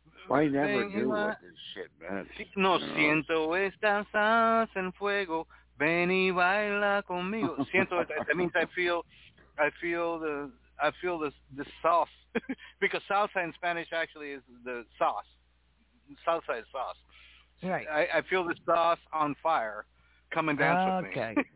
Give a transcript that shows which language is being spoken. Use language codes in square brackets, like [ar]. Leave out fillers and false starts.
[en] I never knew what this shit meant. [es] Si, no, siento esta salsa en fuego. Ven y baila conmigo. [en] Siento, that means I feel the sauce. Because salsa in Spanish actually is the sauce. Salsa is sauce. Right. I feel the sauce on fire. Come and dance with me. Okay.